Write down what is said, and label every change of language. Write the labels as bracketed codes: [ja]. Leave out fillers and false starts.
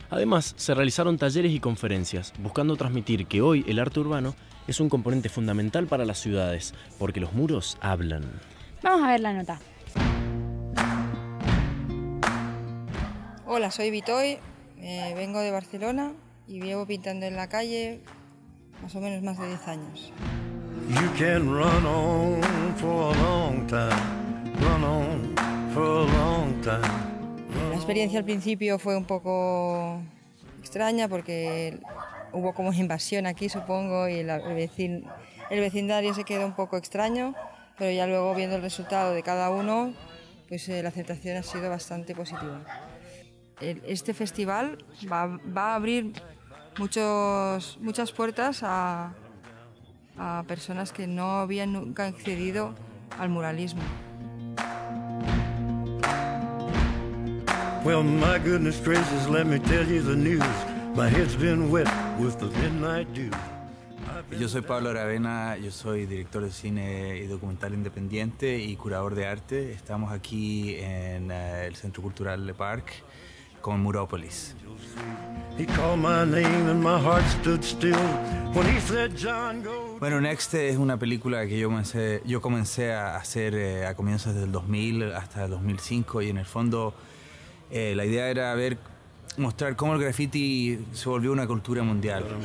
[es] Además, se realizaron talleres y conferencias, buscando transmitir que hoy el arte urbano es un componente fundamental para las ciudades, porque los muros hablan. Vamos a ver la nota. Hola, soy Vitoy, vengo de Barcelona y llevo pintando en la calle más o menos más de 10 años. [en] You can run on for a long time, run on. [es] La experiencia al principio fue un poco extraña porque hubo como invasión aquí, supongo, y el vecindario se quedó un poco extraño, pero ya luego viendo el resultado de cada uno, pues la aceptación ha sido bastante positiva. Este festival va a abrir muchas puertas a personas que no habían nunca accedido al muralismo. [en] Well, my goodness gracious, let me tell you the news. My head's been wet with the midnight dew. [es] Yo soy Pablo Aravena, yo soy director de cine y documental independiente y curador de arte. Estamos aquí en el Centro Cultural Le Parc con Murópolis. [en] He called my name and my heart stood still when he said, John, go. [es] Bueno, Next es una película que yo comencé a hacer a comienzos del 2000 hasta el 2005 y en el fondo la idea era mostrar cómo el graffiti se volvió una cultura mundial.